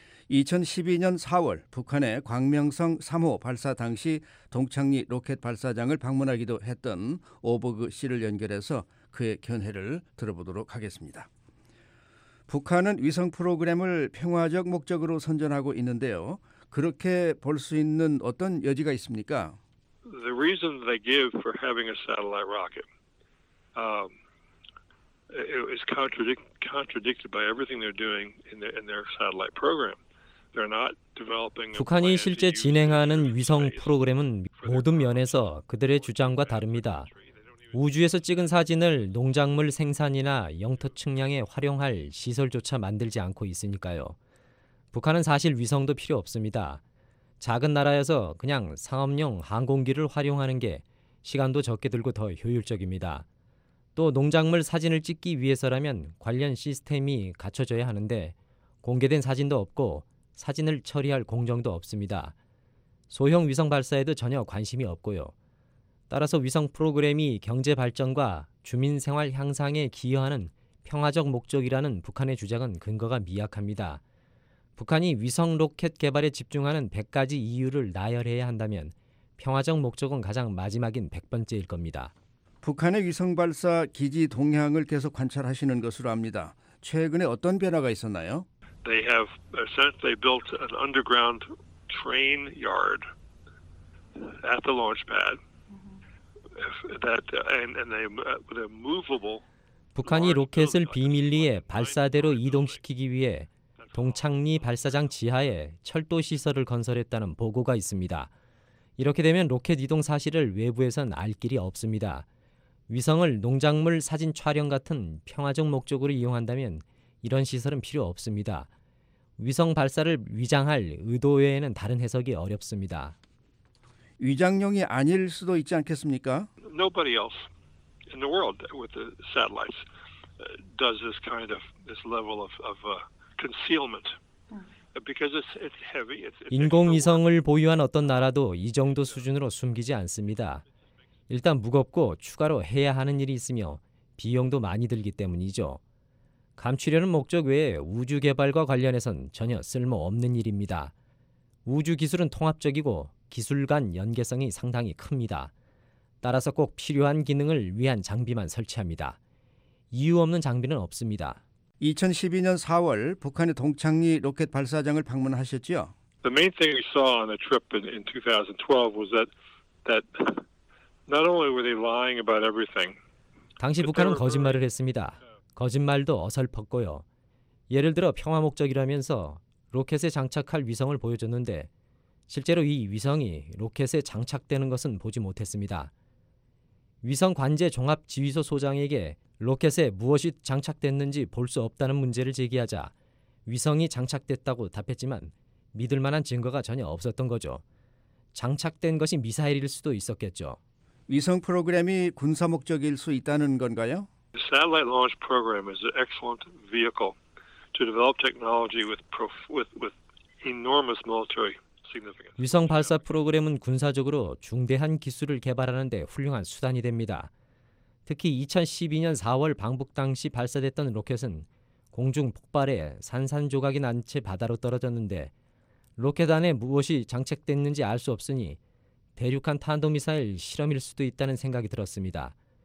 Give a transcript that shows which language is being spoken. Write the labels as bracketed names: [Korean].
[Korean] 2012년 4월 북한의 광명성 3호 발사 당시 동창리 로켓 발사장을 방문하기도 했던 오버그 씨를 연결해서 그의 견해를 들어보도록 하겠습니다. 북한은 위성 프로그램을 평화적 목적으로 선전하고 있는데요. 그렇게 볼 수 있는 어떤 여지가 있습니까? [English] The reason they give for having a satellite rocket is contradicted by everything they're doing in their satellite program. [Korean] 북한이 실제 진행하는 위성 프로그램은 모든 면에서 그들의 주장과 다릅니다. 우주에서 찍은 사진을 농작물 생산이나 영토 측량에 활용할 시설조차 만들지 않고 있으니까요. 북한은 사실 위성도 필요 없습니다. 작은 나라여서 그냥 상업용 항공기를 활용하는 게 시간도 적게 들고 더 효율적입니다. 또 농작물 사진을 찍기 위해서라면 관련 시스템이 갖춰져야 하는데 공개된 사진도 없고 사진을 처리할 공정도 없습니다. 소형 위성 발사에도 전혀 관심이 없고요. 따라서 위성 프로그램이 경제 발전과 주민 생활 향상에 기여하는 평화적 목적이라는 북한의 주장은 근거가 미약합니다. 북한이 위성 로켓 개발에 집중하는 100가지 이유를 나열해야 한다면 평화적 목적은 가장 마지막인 100번째일 겁니다. 북한의 위성 발사 기지 동향을 계속 관찰하시는 것으로 압니다. 최근에 어떤 변화가 있었나요? [English] They have essentially built an underground train yard at the launch pad. That and they with a movable. [Korean] 북한이 로켓을 비밀리에 발사대로 이동시키기 위해 동창리 발사장 지하에 철도 시설을 건설했다는 보고가 있습니다. 이렇게 되면 로켓 이동 사실을 외부에선 알 길이 없습니다. 위성을 농작물 사진 촬영 같은 평화적 목적으로 이용한다면 이런 시설은 필요 없습니다. 위성 발사를 위장할 의도 외에는 다른 해석이 어렵습니다. 위장용이 아닐 수도 있지 않겠습니까? [English] Nobody else in the world with the satellites does this level of concealment because it's heavy. [Korean] 인공위성을 보유한 어떤 나라도 이 정도 수준으로 숨기지 않습니다. 일단 무겁고 추가로 해야 하는 일이 있으며 비용도 많이 들기 때문이죠. 감추려는 목적 외에 우주 개발과 관련해선 전혀 쓸모없는 일입니다. 우주 기술은 통합적이고 기술 간 연계성이 상당히 큽니다. 따라서 꼭 필요한 기능을 위한 장비만 설치합니다. 이유 없는 장비는 없습니다. 2012년 4월 북한의 동창리 로켓 발사장을 방문하셨죠? [English] The main thing we saw on the trip in 2012 was that not only were they lying about everything. [Korean] 당시 북한은 거짓말을 했습니다. 거짓말도 어설펐고요. 예를 들어 평화 목적이라면서 로켓에 장착할 위성을 보여줬는데 실제로 이 위성이 로켓에 장착되는 것은 보지 못했습니다. 위성 관제 종합 지휘소 소장에게 로켓에 무엇이 장착됐는지 볼 수 없다는 문제를 제기하자 위성이 장착됐다고 답했지만 믿을 만한 증거가 전혀 없었던 거죠. 장착된 것이 미사일일 수도 있었겠죠. 위성 프로그램이 군사 목적일 수 있다는 건가요? [English] The satellite launch program is an excellent vehicle to develop technology with enormous military significance. [Korean] 위성 발사 프로그램은 군사적으로 중대한 기술을 개발하는 데 훌륭한 수단이 됩니다. 특히 2012년 4월 방북 당시 발사됐던 로켓은 공중 폭발에 산산조각이 난 채 바다로 떨어졌는데 로켓 안에 무엇이 장착됐는지 알 수 없으니 대륙간 탄도미사일 실험일 수도 있다는 생각이 들었습니다.